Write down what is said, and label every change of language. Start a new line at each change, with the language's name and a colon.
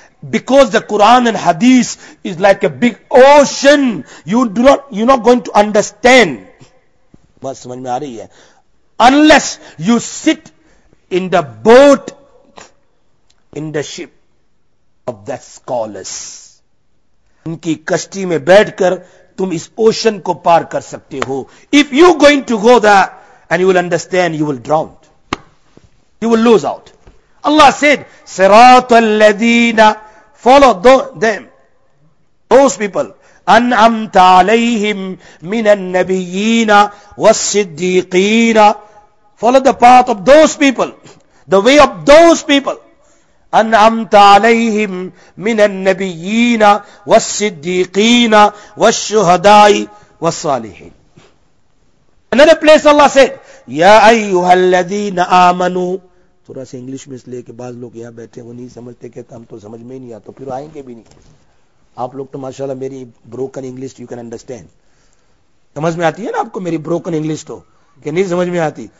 English: Because the Quran and hadith is like a big ocean, you're not going to understand.
Urdu: Bas samajh mein aa rahi hai.
English: Unless you sit in the boat, in the ship of the scholars.
Urdu: ان کی کشتی میں بیٹھ کر تم اس ocean کو پار کر سکتے ہو.
English: If you going to go there and you will understand, you will drown. You will lose out. Allah said,
Arabic: صراط الذين,
English: follow them, those people,
Arabic: أنعمت عليهم من النبيين والصديقين,
English: follow the path of those people, the way of those people.
Arabic: أنعمت عليهم من النبيين والصديقين والشهداء والصالحين.
English: Another place Allah said,
Arabic: يا أيها الذين آمنوا.
Urdu: تھوڑا سا انگلش میں اس لیے کہ بعض لوگ یہاں بیٹھے وہ نہیں سمجھتے, کہتے ہم تو سمجھ میں ہی نہیں آتا, پھر آئیں گے بھی نہیں. آپ لوگ تو ماشاءاللہ میری broken English,
English: you can understand,
Urdu: سمجھ میں آتی ہے نا آپ کو میری بروکن انگلش تو, کہ نہیں سمجھ میں آتی.